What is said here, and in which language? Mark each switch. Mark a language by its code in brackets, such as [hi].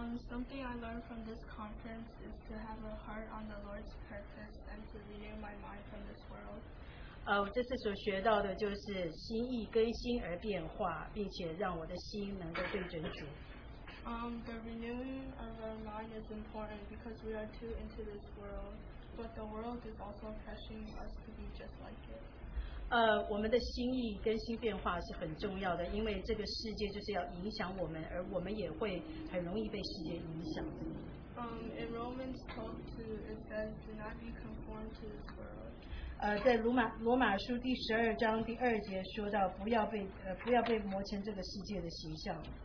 [en] Something I learned from this conference is to have a heart on the Lord's purpose and to renew my mind from this world. [zh] 我这次所学到的就是心意更新而变化，并且让我的心能够对准主。 [en] The renewing of our mind is important because we are too into this world, but the world is also pressuring us to be just like it. [zh] 我们的心意更新变化是很重要的，因为这个世界就是要影响我们，而我们也会很容易被世界影响。 [en] In Romans 12:2, it says, "Do not be conformed to this world." [zh] 在罗马书第十二章第二节说到，不要被磨成这个世界的形象。